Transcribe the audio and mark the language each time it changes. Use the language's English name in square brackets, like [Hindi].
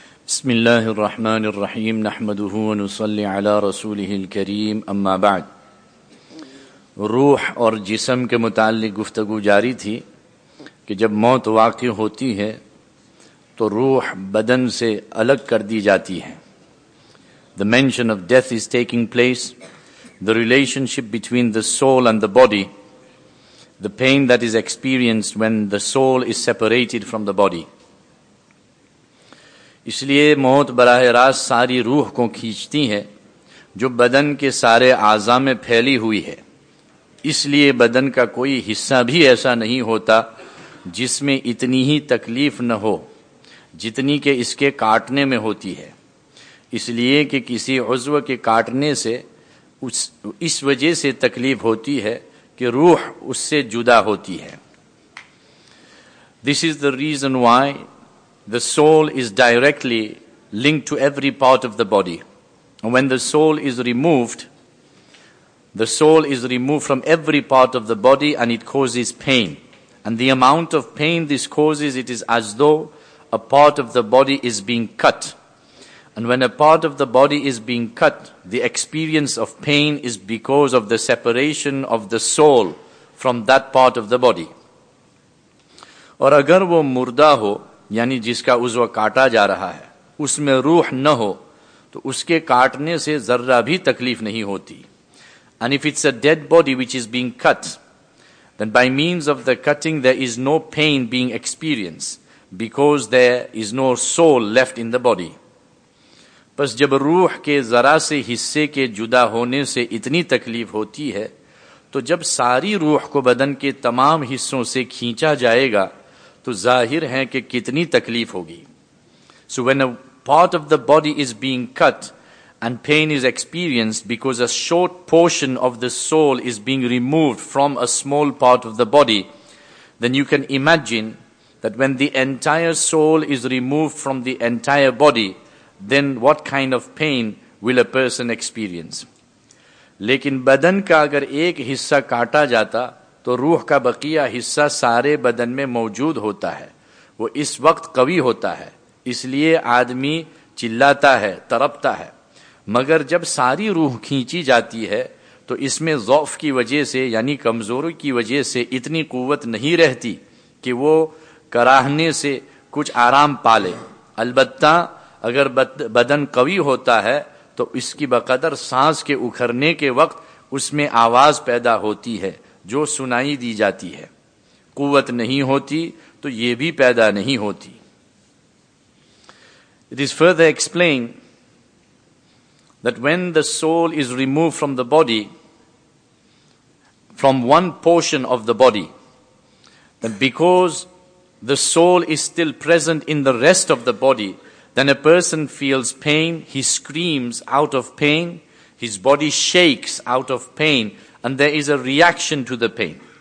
[Arabic] بسم الله الرحمن الرحيم نحمده ونصلي على رسوله الكريم اما بعد [Urdu] روح اور جسم کے متعلق گفتگو جاری تھی کہ جب موت واقع ہوتی ہے تو روح بدن سے الگ کر دی جاتی ہے. [English] The mention of death is taking place, the relationship between the soul and the body, the pain that is experienced when the soul is separated from the body. [Urdu] اس لیے موت براہ راست ساری روح کو کھینچتی ہے جو بدن کے سارے اعضاء میں پھیلی ہوئی ہے. اس لیے بدن کا کوئی حصہ بھی ایسا نہیں ہوتا جس میں اتنی ہی تکلیف نہ ہو جتنی کہ اس کے کاٹنے میں ہوتی ہے. اس لیے کہ کسی عضو کے کاٹنے سے اس وجہ سے تکلیف ہوتی ہے کہ روح اس سے جدا ہوتی ہے. [English] This is the reason why the soul is directly linked to every part of the body. When the soul is removed, the soul is removed from every part of the body and it causes pain. And the amount of pain this causes, it is as though a part of the body is being cut. And when a part of the body is being cut, the experience of pain is because of the separation of the soul from that part of the body. [Urdu] اور اگر وہ مردہ ہو یعنی جس کا عضو کاٹا جا رہا ہے اس میں روح نہ ہو تو اس کے کاٹنے سے ذرہ بھی تکلیف نہیں ہوتی. [English] And if it's a dead body which is being cut, then by means of the cutting there is no pain being experienced because there is no soul left in the body. [Urdu] بس جب روح کے ذرا سے حصے کے جدا ہونے سے اتنی تکلیف ہوتی ہے تو جب ساری روح کو بدن کے تمام حصوں سے کھینچا جائے گا تو ظاہر ہے کہ کتنی تکلیف ہوگی. [English] So when a part of the body is being cut and pain is experienced because a short portion of the soul is being removed from a small part of the body, then you can imagine that when the entire soul is removed from the entire body, then what kind of pain will a person experience? [Urdu] لیکن بدن کا اگر ایک حصہ کاٹا جاتا تو روح کا بقیہ حصہ سارے بدن میں موجود ہوتا ہے. وہ اس وقت قوی ہوتا ہے, اس لیے آدمی چلاتا ہے, تڑپتا ہے. مگر جب ساری روح کھینچی جاتی ہے تو اس میں ضعف کی وجہ سے یعنی کمزوری کی وجہ سے اتنی قوت نہیں رہتی کہ وہ کراہنے سے کچھ آرام پالے. البتہ اگر بدن قوی ہوتا ہے تو اس کی بقدر سانس کے اکھڑنے کے وقت اس میں آواز پیدا ہوتی ہے جو سنائی دی جاتی ہے. قوت نہیں ہوتی تو یہ بھی پیدا نہیں ہوتی. [English] It is further explained that when the soul is removed from the body, from one portion of the body, then because the soul is still present in the rest of the body, then a person feels pain, he screams out of pain, his body shakes out of pain, and there is a reaction to the pain.